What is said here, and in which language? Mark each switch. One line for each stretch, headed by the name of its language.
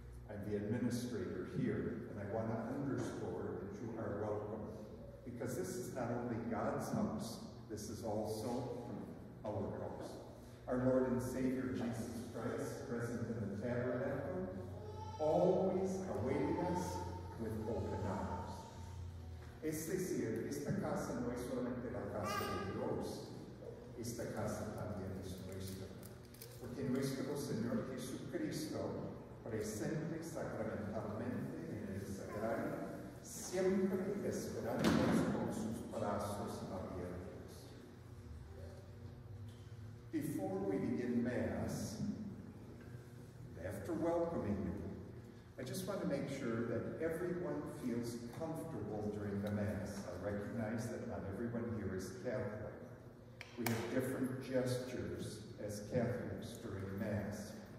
English: I'm the administrator here, and I want to underscore that you are welcome, because this is not only God's house, this is also our house. Our Lord and Savior Jesus Christ, present in the tabernacle, always awaiting us with open arms.
Spanish: Es decir, esta casa no es solamente la casa de Dios, esta casa también es nuestra. Porque nuestro Señor Jesucristo presenta. sacramentalmente en el sagrario, siempre esperándonos con sus brazos abiertos.
English: Before we begin Mass, after welcoming you, I just want to make sure that everyone feels comfortable during the Mass. I recognize that not everyone here is Catholic. We have different gestures as Catholics during Mass.